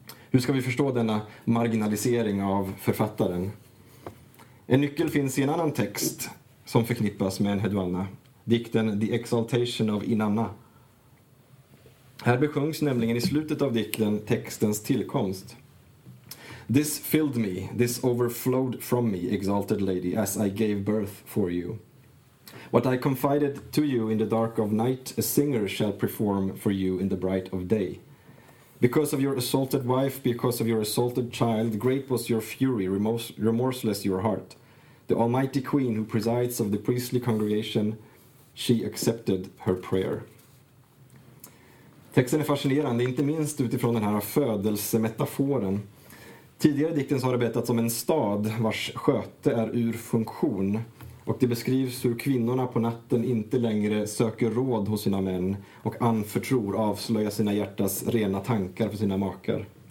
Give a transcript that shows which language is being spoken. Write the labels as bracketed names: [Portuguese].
[Swedish] Hur ska vi förstå denna marginalisering av författaren? En nyckel finns i en annan text som förknippas med en hedoanna, dikten The Exaltation of Inanna. Här besjungs nämligen i slutet av dikten textens tillkomst. [English] This filled me, this overflowed from me, exalted lady, as I gave birth for you. What I confided to you in the dark of night, a singer shall perform for you in the bright of day. Because of your assaulted wife, because of your assaulted child, great was your fury, remorseless your heart. The almighty queen who presides of the priestly congregation, she accepted her prayer. [Swedish] Texten är fascinerande, inte minst utifrån den här födelsemetaforen. Tidigare i dikten så har det berättats om en stad vars sköte är ur funktion. Och det beskrivs hur kvinnorna på natten inte längre söker råd hos sina män och anförtror, avslöja sina hjärtas rena tankar för sina makar.